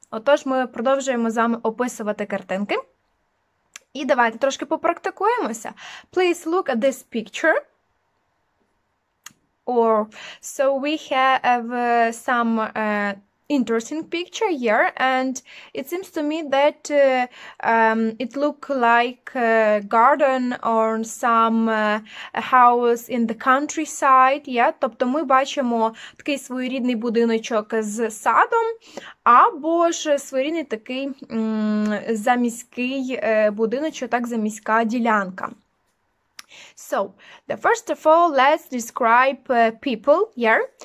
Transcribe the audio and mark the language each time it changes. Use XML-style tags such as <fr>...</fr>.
<uk>Отож, ми продовжуємо з вами описувати картинки. І давайте трошки попрактикуємося.</uk> <en>Please look at this picture. Or, so we have some interesting picture here, and it seems to me that it look like a garden or some house in the countryside.</en> <uk>Yeah, тобто ми бачимо такий своєрідний будиночок з садом, або ж своєрідний такий заміський будиночок, так, заміська ділянка.</uk> <en>So, the first of all, let's describe people here.</en>